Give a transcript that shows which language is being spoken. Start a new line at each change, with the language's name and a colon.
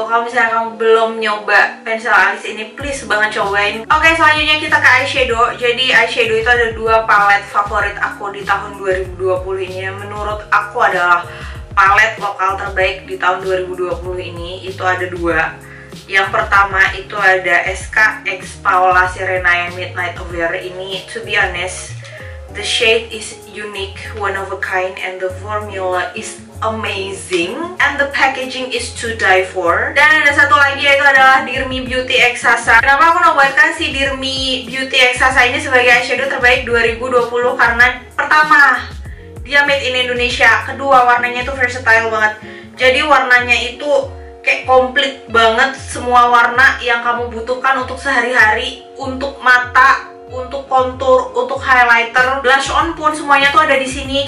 Indonesian: Kalau misalnya kamu belum nyoba pensil alis ini, please banget cobain. Oke, selanjutnya kita ke eyeshadow. Jadi eyeshadow itu ada dua palet favorit aku di tahun 2020 ini. Menurut aku adalah palet lokal terbaik di tahun 2020 ini, itu ada dua. Yang pertama itu ada SK X Paola Serena yang Midnight Over.
English: Ini, to be honest, the shade is unique, one of a kind, and the formula is amazing, and the packaging is to die for.
Indonesian: Dan ada satu lagi, yaitu adalah Dear Me Beauty Exasa. Kenapa aku nobatkan si Dear Me Beauty Exasa ini sebagai eyeshadow terbaik 2020? Karena pertama, dia
English: made in Indonesia.
Indonesian: Kedua, warnanya itu versatile banget. Jadi warnanya itu kayak komplit banget, semua warna yang kamu butuhkan untuk sehari-hari, untuk mata, untuk contour, untuk highlighter, blush on pun semuanya tuh ada di sini.